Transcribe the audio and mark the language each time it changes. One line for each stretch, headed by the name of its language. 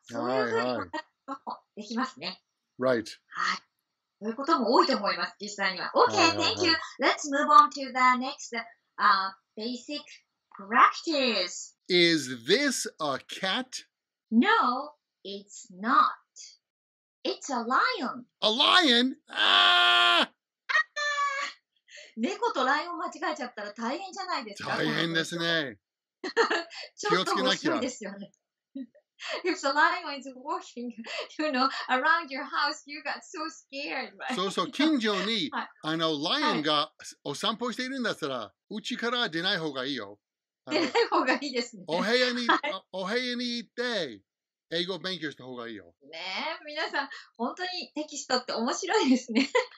Japanese: そういうふうに答えることもできますね。
English: Right.
Japanese: はい。そういうことも多いと思います、実際には。
English: Okay, thank you. Let's move on to the next, basic practice. Is this a cat? No, it's not. It's a lion. A lion? Ah!
Japanese: 猫とライオン間違えちゃったら大変じゃないですか？大変ですね。ちょっと面白いですよね。
English: If the lion is walking, you know, around your house, you got so scared, right?
Japanese: そうそう、近所に、あの、ライオンがお散歩しているんだったら、うちから出ない方がいいよ。出ない方がいいですね。お部屋に、お部屋に行って、英語勉強した方がいいよ。ねえ、皆さん、本当にテキストって面白いですね。